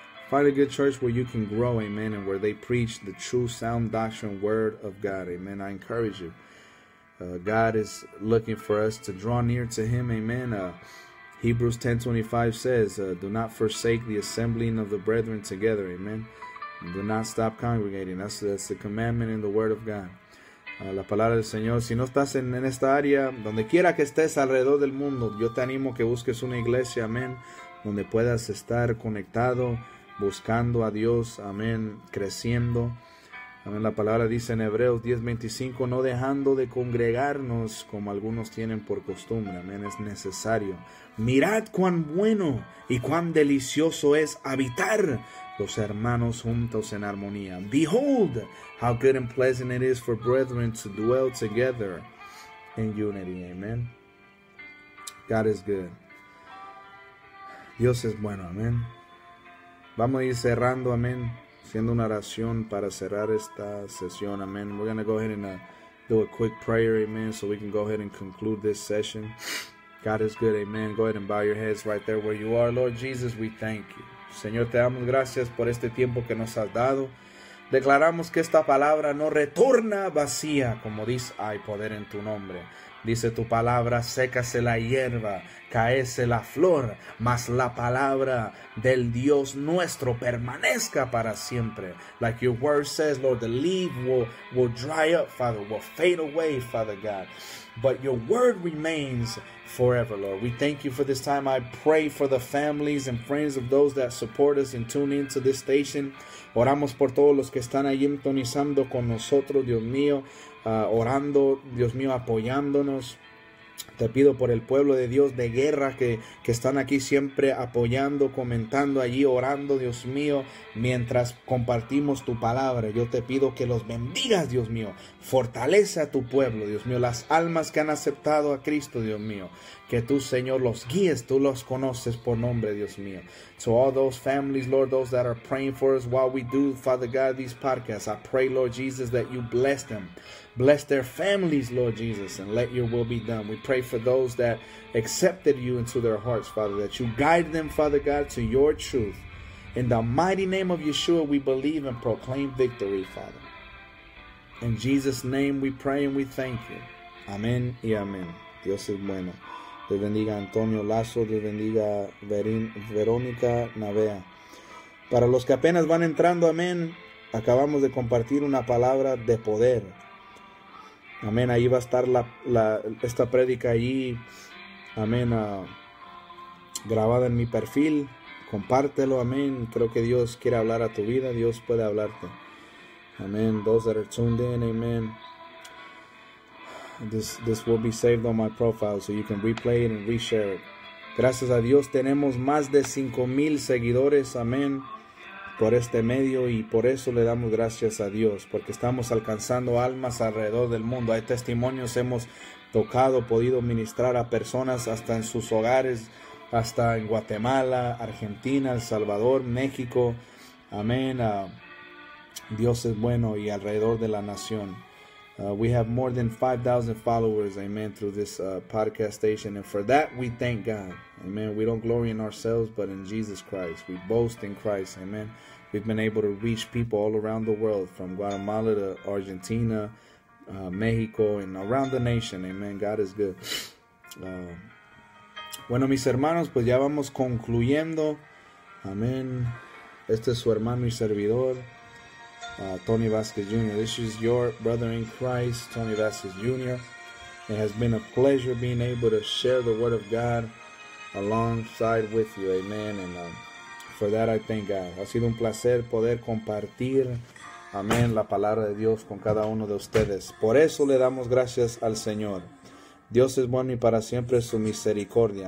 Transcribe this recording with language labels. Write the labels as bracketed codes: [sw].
[en] Find a good church where you can grow, amen, and where they preach the true sound doctrine word of God, amen. I encourage you. God is looking for us to draw near to him, amen. Hebrews 10:25 says, do not forsake the assembling of the brethren together, amen. And do not stop congregating. That's the commandment in the word of God. [es] La palabra del Señor, si no estás en esta área, donde quiera que estés alrededor del mundo, yo te animo que busques una iglesia, amén, donde puedas estar conectado, buscando a Dios, amén, creciendo. Amén. La palabra dice en Hebreos 10:25, no dejando de congregarnos como algunos tienen por costumbre, amén, es necesario. Mirad cuán bueno y cuán delicioso es habitar los hermanos juntos en armonía. [en] Behold, how good and pleasant it is for brethren to dwell together in unity. [es] Amen. [en] God is good. [es] Dios es bueno. Amen. Vamos a ir cerrando. Amen. Haciendo una oración para cerrar esta sesión. Amen. [en] We're going to go ahead and do a quick prayer. Amen. So we can go ahead and conclude this session. God is good. Amen. Go ahead and bow your heads right there where you are. Lord Jesus, we thank you. [es] Señor, te damos gracias por este tiempo que nos has dado. Declaramos que esta palabra no retorna vacía, como dice, hay poder en tu nombre. Dice tu palabra, sécase la hierba, caese la flor, mas la palabra del Dios nuestro permanezca para siempre. [en] Like your word says, Lord, the leaf will dry up, Father, will fade away, Father God. But your word remains forever, Lord. We thank you for this time. I pray for the families and friends of those that support us and tune into this station. [es] Oramos por todos los que están ahí entonizando con nosotros, Dios mío, orando, Dios mío, apoyándonos. Te pido por el pueblo de Dios de guerra que están aquí siempre apoyando, comentando allí, orando, Dios mío, mientras compartimos tu palabra. Yo te pido que los bendigas, Dios mío. Fortalece a tu pueblo, Dios mío. Las almas que han aceptado a Cristo, Dios mío. Que tú, Señor, los guíes. Tú los conoces por nombre, Dios mío. [en] So all those families, Lord, those that are praying for us while we do, Father God, these podcasts, I pray, Lord Jesus, that you bless them. Bless their families, Lord Jesus, and let your will be done. We pray for those that accepted you into their hearts, Father, that you guide them, Father God, to your truth. In the mighty name of Yeshua, we believe and proclaim victory, Father. In Jesus' name we pray and we thank you. [es] Amen y amen. Dios es bueno. Dios bendiga Antonio Lazo, Dios bendiga Verónica Navea. Para los que apenas van entrando, amén, acabamos de compartir una palabra de poder. Amén, ahí va a estar esta prédica allí, amén, grabada en mi perfil. Compártelo, amén, creo que Dios quiere hablar a tu vida, Dios puede hablarte. [en] Amén, those that are tuned in, amén. This will be saved on my profile so you can replay it and reshare it. [es] Gracias a Dios tenemos más de 5,000 seguidores, amén, por este medio, y por eso le damos gracias a Dios, porque estamos alcanzando almas alrededor del mundo. Hay testimonios, hemos tocado, podido ministrar a personas hasta en sus hogares, hasta en Guatemala, Argentina, El Salvador, México, amén. Dios es bueno, y alrededor de la nación. [en] We have more than 5,000 followers, amen, through this podcast station. And for that, we thank God. Amen. We don't glory in ourselves, but in Jesus Christ. We boast in Christ, amen. We've been able to reach people all around the world, from Guatemala to Argentina, Mexico, and around the nation, amen. God is good. [es] Bueno, mis hermanos, pues ya vamos concluyendo. Amen. Este es su hermano y servidor. Tony Vasquez Jr. [en] This is your brother in Christ, Tony Vasquez Jr. It has been a pleasure being able to share the word of God alongside with you. Amen. And for that I thank God. [es] Ha sido un placer poder compartir, amén, la palabra de Dios con cada uno de ustedes. Por eso le damos gracias al Señor. Dios es bueno y para siempre su misericordia.